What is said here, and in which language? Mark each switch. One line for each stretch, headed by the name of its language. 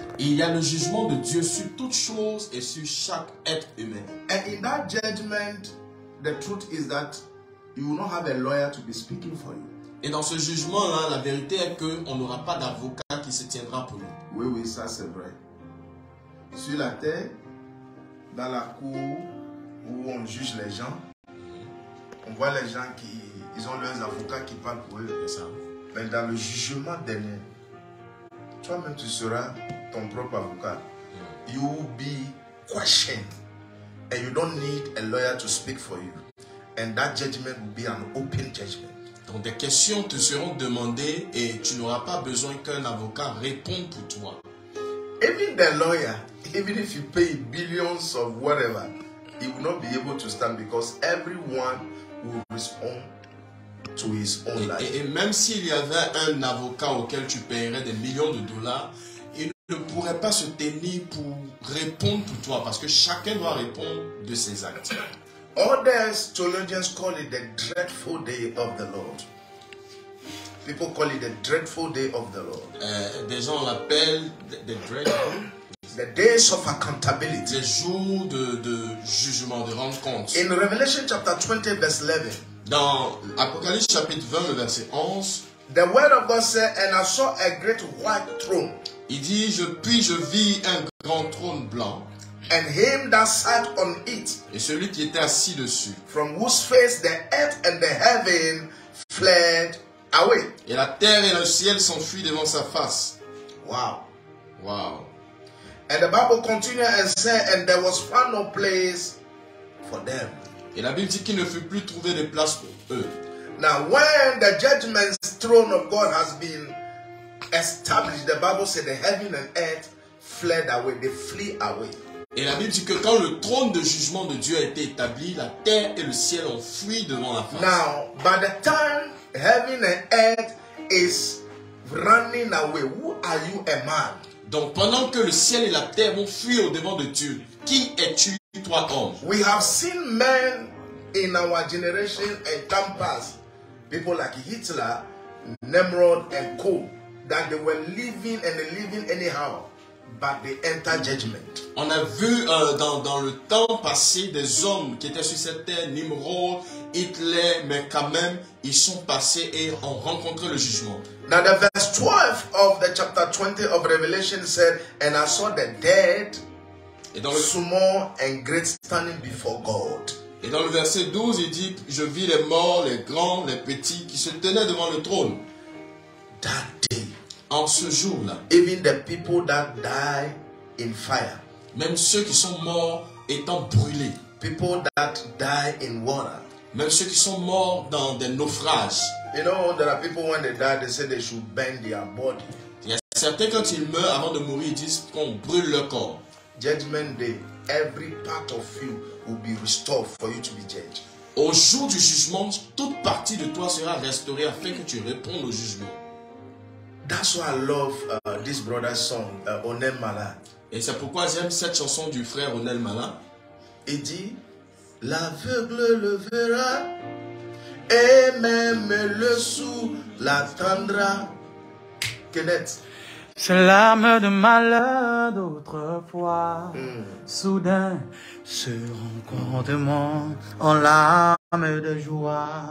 French: Il y a le jugement de Dieu sur toute chose et sur chaque être humain.
English: And in that judgment, the truth is that you will not have a lawyer to be speaking for you.
French: Et dans ce jugement là, la vérité est que on n'aura pas d'avocat qui se tiendra pour nous. Oui, oui, ça c'est vrai. Sur la terre, dans la cour où on juge les gens, on voit les gens qui ils ont leurs avocats qui parlent pour eux. C'est ça. Mais dans le jugement dernier, toi-même tu seras ton propre avocat.
English: You will be questioned, and you don't need a lawyer to speak for you. And that judgment will be an open judgment.
French: Donc des questions te seront demandées et tu n'auras pas besoin qu'un avocat réponde pour toi.
English: Even the lawyer, even if you pay billions of whatever, he will not be able to stand because everyone will respond to his own life.
French: Et même s'il y avait un avocat auquel tu paierais des millions de dollars, il ne pourrait pas se tenir pour répondre pour toi, parce que chacun doit répondre de ses actes.
English: Others, theologians call it the dreadful day of the Lord. People call it the dreadful day of the Lord.
French: Des gens l'appellent
English: the dreadful. The days of accountability.
French: Les jours de jugement, de rendre compte.
English: In Revelation chapter 20, verse 11.
French: Dans Apocalypse chapitre 20, verset 11.
English: The word of God said, and I saw a great white throne.
French: Il dit, je vis un grand trône blanc.
English: And him that sat on it.
French: Et celui qui était assis dessus.
English: From whose face the earth and the heaven fled away.
French: Et la terre et le ciel s'enfuient devant sa face. Wow. Wow.
English: And the Bible continued and said, and there was found no place for them.
French: Et la Bible dit qu'il ne fut plus trouvé de place pour eux.
English: Now, when the judgment throne of God has been established, the Bible said the heaven and earth fled away. They flee away.
French: Et la Bible dit que quand le trône de jugement de Dieu a été établi, la terre et le ciel ont fui devant la face.
English: Now, by the time heaven and earth is running away, who are you, a man?
French: Donc pendant que le ciel et la terre vont fuir au devant de Dieu, qui es-tu, toi, homme?
English: We have seen men in our generation and time past, people like Hitler, Nimrod and co, that they were living and living anyhow, but they enter judgment.
French: On a vu dans le temps passé des hommes qui étaient sur cette terre, Nimrod, Hitler, mais quand même ils sont passés et ont rencontré le jugement.
English: Now the verse 12 of the chapter 20 of Revelation said, and I saw the dead sumo and great standing before God.
French: Et dans le verset 12, il dit, je vis les morts, les grands, les petits, qui se tenaient devant le trône.
English: That day,
French: en ce jour-là,
English: even the people that die in fire,
French: même ceux qui sont morts étant brûlés,
English: people that die in water,
French: même ceux qui sont morts dans des naufrages.
English: You know, there are people when they die, they say they should burn their body.
French: Yes, certains quand ils meurent avant de mourir, ils disent qu'on brûle leur corps.
English: Judgment day, every part of you will be restored for you to be judged.
French: Au jour du jugement, toute partie de toi sera restaurée afin que tu répondes au jugement.
English: That's why I love this brother's song, Onel Mala.
French: Et c'est pourquoi j'aime cette chanson du frère Onel Mala. Il dit, l'aveugle le verra. Et même le sou l'attendra. Kenneth. Ces larmes de malheur d'autrefois soudain se rencontrent en larmes de joie.